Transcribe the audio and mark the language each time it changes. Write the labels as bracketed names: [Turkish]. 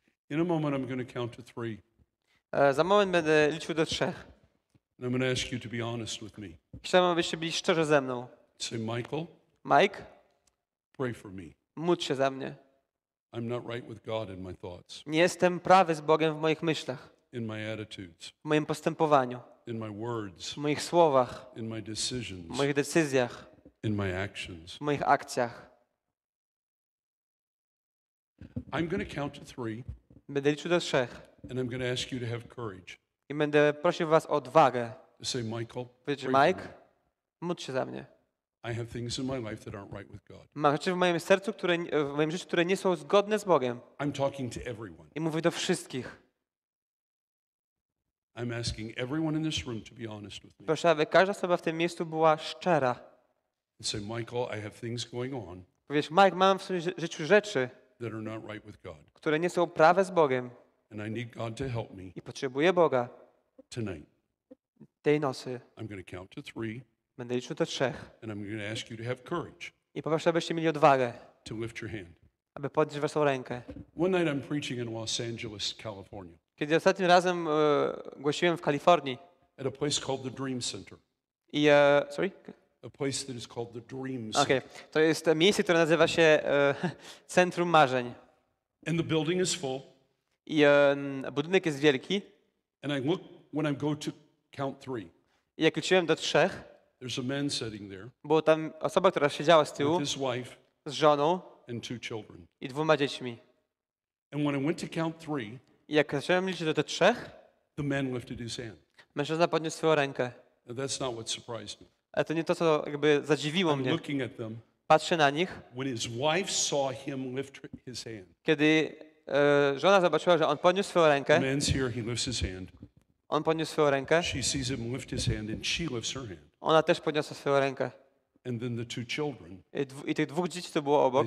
[English] In a moment I'm going to count to three. [Polish] Za moment będę liczył do trzech. [English] And I'm going to ask you to be honest with me. [Polish] Chciałbym, abyście byli szczerzy ze mną. [English] Say, Michael. Mike. Pray for me. [Polish] Módl się za mnie. [English] I'm not right with God in my thoughts. [Polish] Nie jestem prawy z Bogiem w moich myślach. [English] In my attitudes. [Polish] W moim postępowaniu. [English] In my words. [Polish] W moich słowach. [English] In my decisions. [Polish] W moich decyzjach. [English] In my actions. [Polish] W moich akcjach. [English] I'm going to count to three. [Polish] Będę liczył do trzech. [English] And I'm going to ask you to have courage. [Polish] I będę prosił was o odwagę. [English] To say, Michael, [Polish] powiedz, Mike, módl się za mnie. [English] I have things in my life that aren't right with God. [Polish] Mam rzeczy w moim sercu, które w moim życiu, które nie są zgodne z Bogiem. [English] I'm talking to everyone. [Polish] I mówię do wszystkich. [English] I'm asking everyone in this room to be honest with me. [Polish] Proszę, aby każda osoba w tym miejscu była szczera. [English] And say, Michael, I have things going on. [Polish] Powiedz, Mike, mam w swoim życiu rzeczy, [English] that are not right with God. [Polish] Które nie są prawe z Bogiem. [English] And I need God to help me. [Polish] I potrzebuję Boga. [English] Tonight. [Polish] Tej nocy. [English] I'm going to count to three. [Polish] Będę liczył do trzech. [English] And I'm going to ask you to have courage. [Polish] I poproszę, abyście mieli odwagę. [English] To lift your hand. [Polish] Aby podnieść waszą rękę. [English] One night I'm preaching in Los Angeles, California. [Polish] Kiedy ostatnim razem głosiłem w Kalifornii. [English] At a place called the Dream Center. I sorry. A place that is called the Dream Center. Okay. [Polish] To jest miejsce, które nazywa się Centrum Marzeń. [English] And the building is full. [Polish] I budynek jest wielki. [English] And I look when I go to count three. [Polish] I jak liczyłem do trzech. [English] There's a man sitting there. [Polish] Była tam osoba, która siedziała z tyłu. [English] With his wife. [Polish] Z żoną. [English] And two children. [Polish] I dwoma dziećmi. [English] And when I went to count three. [Polish] I jak zacząłem liczyć do trzech. [English] The man lifted his hand. [Polish] Mężczyzna podniósł swoją rękę. [English] Now that's not what surprised me. [Polish] Ale to nie to, co jakby zadziwiło mnie. [English] I'm looking at them. [Polish] Patrzę na nich. [English] When his wife saw him lift his hand. [Polish] Kiedy żona zobaczyła, że on podniósł swoją rękę. [English] The man's here, he lifts his hand. [Polish] On podniósł swoją rękę. [English] She sees him lift his hand and she lifts her hand. [Polish] Ona też podniosła swoją rękę. [English] And then the two children, [Polish] i tych dwóch dzieci, to było obok,